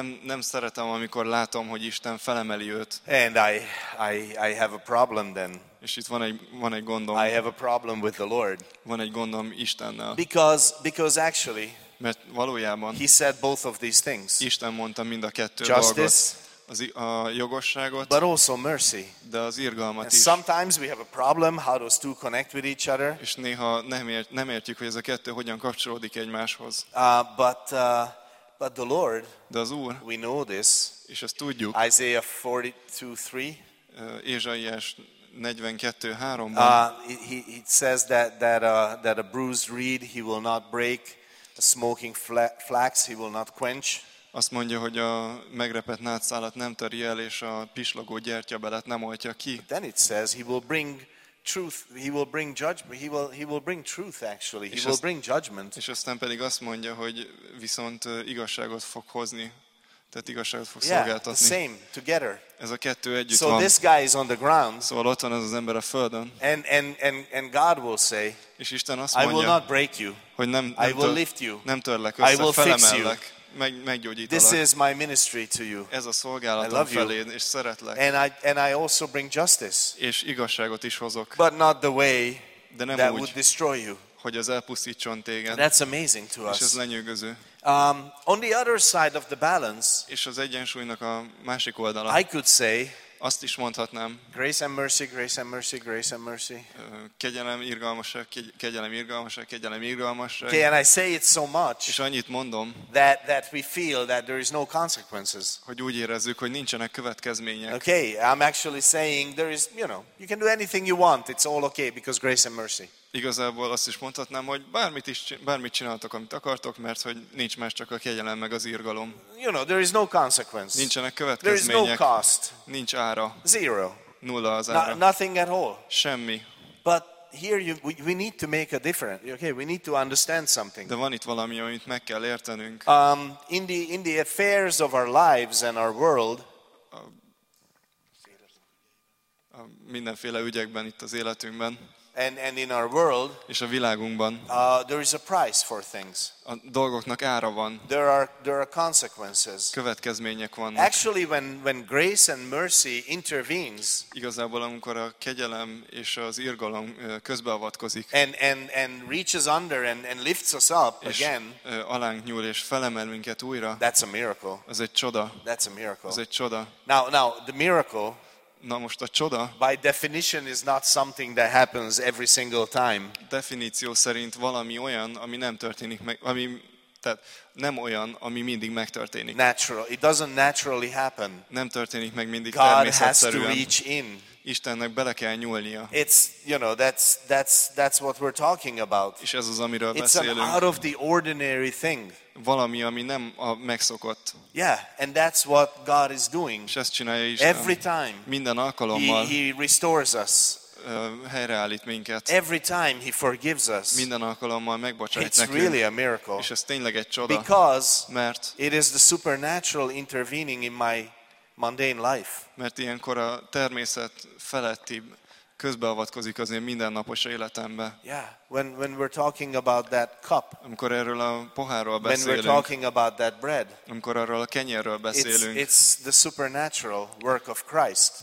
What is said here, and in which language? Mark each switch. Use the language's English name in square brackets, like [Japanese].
[Hungarian] Nem szeretem, amikor látom, hogy Isten felemeli őt. [English] And I have a problem then. [Hungarian] És itt van egy gondom. [English] I have a problem with the Lord. [Hungarian] Van egy gondom Istennel. [English] Because actually [Hungarian] mert valójában [English] he said both of these things. [Hungarian] Isten mondta mind a kettő [English] justice, [Hungarian] dolgot, az a jogosságot, [English] but also mercy. [Hungarian] De az irgalmat [English] and [Hungarian] is. [English] Sometimes we have a problem how those two connect with each other. [Hungarian] És néha nem értjük, hogy ez a kettő hogyan kapcsolódik egymáshoz. [English] But the Lord, [Hungarian] de az Úr, [English] we know this, [Hungarian] és ezt tudjuk. [English] Isaiah 42:3. [Hungarian] Ézsaiás 42:3. [English] He says that a bruised reed he will not break. Smoking flax he will not quench. [Hungarian] Azt mondja, hogy a megrepett nátszálat nem töri el, és a pislogó gyertyabelet nem oltja ki. [English] But then it says he will bring truth, he will bring judgment, he will bring truth actually, he will bring judgment. [Hungarian] És aztán pedig azt mondja, hogy viszont igazságot fog hozni, tehát igazságot fog szolgáltatni. [English] Yeah, the same, together. [Hungarian] Ez a kettő együtt [English] so [Hungarian] van. [English] So this guy is on the ground. [Hungarian] Szóval ott van ez az ember a földön. [English] And God will say, [Hungarian] és Isten azt mondja, [English] I will not break you. [Hungarian] Hogy nem törlek össze, [English] I will [Hungarian] felemellek, meggyógyítalak. [English] This is my ministry to you. [Hungarian] Ez a szolgálatom feléd, és szeretlek. [English] And I also bring justice. [Hungarian] És igazságot is hozok. [English] But not the way [Hungarian] de nem [English] that would destroy you. [Hungarian] Hogy az elpusztítson téged. [English] That's amazing to us. [Hungarian] És ez lenyűgöző. [English] On the other side of the balance, [Hungarian] és az egyensúlynak a másik oldala, [English] I could say, [Hungarian] azt is mondhatnám. [English] Grace and mercy, grace and mercy, grace and mercy. [Hungarian] Kegyelem, irgalmasság, kegyelem, irgalmasság, kegyelem, irgalmasság. [English] Okay, and I say it so much. [Hungarian] És annyit mondom. [English] That we feel that there is no consequences. [Hungarian] Hogy úgy érezzük, hogy nincsenek következmények. [English] Okay, I'm actually saying there is, you can do anything you want. It's all okay because grace and mercy. [Hungarian] Igazából azt is mondhatnám, hogy bármit csináltok, amit akartok, mert hogy nincs más, csak a kegyelem meg az irgalom. [English] There is no consequence. [Hungarian] Nincsenek következmények. [English] There is no cost. [Hungarian] Nincs ára. [English] Zero. [Hungarian] Nulla az ára. [English] Nothing at all. [Hungarian] Semmi. [English] But here we need to make a difference. Okay, we need to understand something. [Hungarian] De van itt valami, amit meg kell értenünk. [English] In the affairs of our lives and our world. [Hungarian] A mindenféle ügyekben itt az életünkben. [English] And in our world, [Hungarian] és a világunkban, [English] there is a price for things. [Hungarian] A dolgoknak ára van. [English] There are consequences. [Hungarian] Következmények vannak. [English] Actually, when grace and mercy intervenes, [Hungarian] igazából amikor a kegyelem és az irgalom közbeavatkozik, [English] and reaches under and lifts us up again, [Hungarian] alánk nyúl és felemel minket újra. [English] That's a miracle. [Hungarian] Ez egy csoda. [English] That's a miracle. [Hungarian] Ez egy csoda. [English] Now the miracle. [Hungarian] Na most a csoda. [English] By definition is not something that happens every single time. [Hungarian] Definíció szerint valami olyan, ami nem történik meg, ami tehát nem olyan, ami mindig megtörténik. [English] Natural. It doesn't naturally happen. [Hungarian] Nem történik meg mindig [English] God [Hungarian] természetszerűen. [English] God has to reach in. [Hungarian] Istennek bele kell nyúlnia. [English] It's, you know, that's what we're talking about. [Hungarian] És ez az, amiről [English] it's [Hungarian] beszélünk. [English] It's out of the ordinary thing. [Hungarian] Valami, ami nem a megszokott. [English] Yeah, and that's what God is doing. [Hungarian] És ezt csinálja Isten. [English] Every time. [Hungarian] Minden alkalommal. [English] He restores us. [Hungarian] Helyreállít minket. [English] Every time he forgives us. [Hungarian] Minden alkalommal megbocsájt [English] it's [Hungarian] nekünk. [English] Really a miracle. [Hungarian] És ez tényleg egy csoda. [English] Because [Hungarian] mert [English] it is the supernatural intervening in my mundane life. [Hungarian] Mert ilyenkor a természet feletti közbeavatkozik az én mindennapos életembe. [English] Yeah, when we're talking about that cup. [Hungarian] Amikor erről a pohárról beszélünk. [English] When we're talking about that bread. [Hungarian] Amikor arról a kenyérről beszélünk. [English] It's the supernatural work of Christ.